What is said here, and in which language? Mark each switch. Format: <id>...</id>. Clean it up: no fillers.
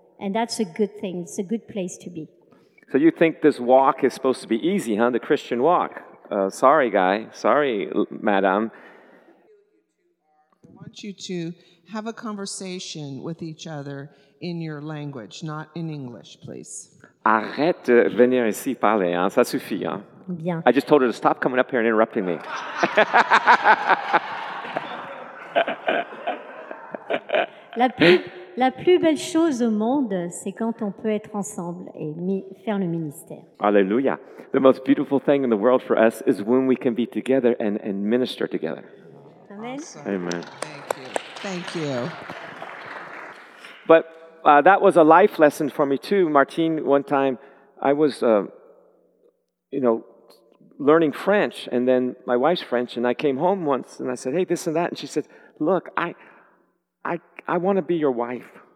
<en>And that's a good thing. It's a good place to be. So you think this walk is supposed to be easy, huh? The Christian walk. Sorry, guy. Sorry, madam. I want you to... have a conversation with each other in your language, not in English, please.</en> <fr>Arrête de venir ici parler, hein? Ça suffit, hein? Bien.</fr> <en>I just told her to stop coming up here and interrupting me.</en> <fr>La plus belle chose au monde, c'est quand on peut être ensemble et faire le ministère. Alléluia.</fr> <en>The most beautiful thing in the world for us is when we can be together and minister together. Amen. Awesome. Amen. Thank you. Thank you. But that was a life lesson for me too. Martine, one time, I was, learning French, and then my wife's French, and I came home once, and I said, hey, this and that, and she said, look, I want to be your wife.</en>